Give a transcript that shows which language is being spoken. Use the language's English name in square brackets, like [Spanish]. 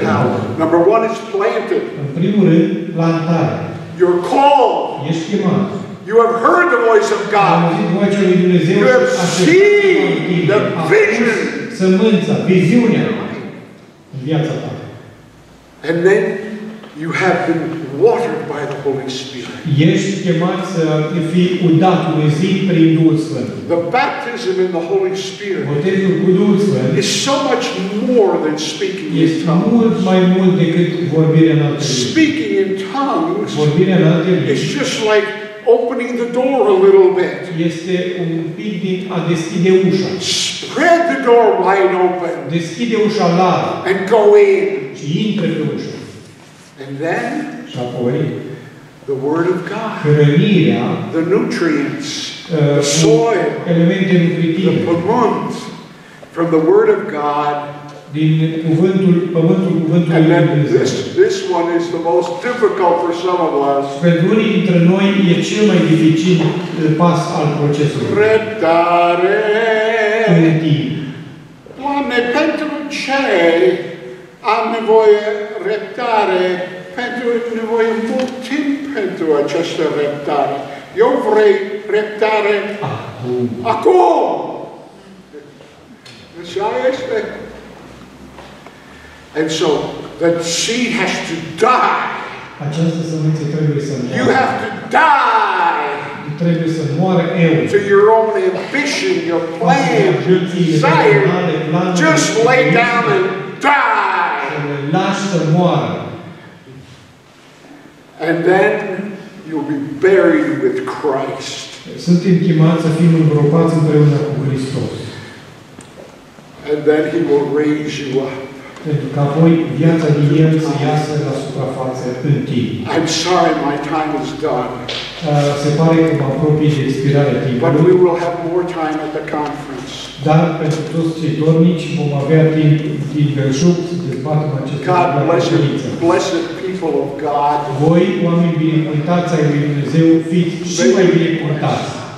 [English] How? Number one, it's planted. [Romanian] În primul rând, plantare. [English] You're called. [Romanian] Ești chemat. [English] You have heard the voice of God. [Romanian] Am auzit vocea lui Dumnezeu. [English] You have seen the vision. [Romanian] Sămânța, viziunea în viața ta. [English] And then you have been watered by the Holy Spirit. [Romanian] Ești chemat să fii udat de zi prin Duhul Sfânt. [English] The baptism in the Holy Spirit. [Romanian] Botezul cu Duhul Sfânt. [English] Is so much more than speaking in tongues. [Romanian] Este mult mai mult decât vorbirea în alte limbi. [English] Speaking in tongues. [Romanian] Vorbirea în alte limbi. [English] It's just like opening the door a little bit. [Romanian] Este un pic din a deschide ușa. [English] Spread the door wide open. [Romanian] Deschide ușa larg. [English] And go in. [Romanian] Și intră pe ușă. [English] And then. [Romanian] Și apoi. [English] The word of God. [Romanian] Hrănirea. [English] The nutrients. The soil. [Romanian] Elemente nutritive. [English] The [Romanian] pământ. [English] From the word of God. [Romanian] Din cuvântul lui Dumnezeu. [English] This one is the most difficult for some of us. [Romanian] Pentru unii dintre noi e cel mai dificil pas al procesului. Răbdare. Hrănirea. Doamne, pentru ce am nevoie răbdare? Pentru că am nevoie mult timp pentru această răbdare. Eu vrei răbdare acum. Așa este. [English] And so the seed has to die. [Romanian] Această sămânță trebuie să moară. [English] You have to die. [Romanian] Trebuie să moară eu. [English] To your own ambition, your plan, your desire. Just lay down and die. [Romanian] Lasă să moară. [English] And then you'll be buried with Christ. [Romanian] Suntem chemați să fim îngropați împreună cu Hristos. [English] And then he will raise you up. [Romanian] Pentru că apoi viața din el să iasă la suprafață în timp. [English] I'm sorry, my time is done. [Romanian] Se pare că mă apropii de expirarea timpului. [English] But we will have more time at the conference. [Romanian] Dar pentru toți cei dornici vom avea timp din belșug să dezbatem această conferință. [English] Blessed people of God. [Romanian] Voi, oameni binecuvântați ai lui Dumnezeu, fiți și mai binecuvântați.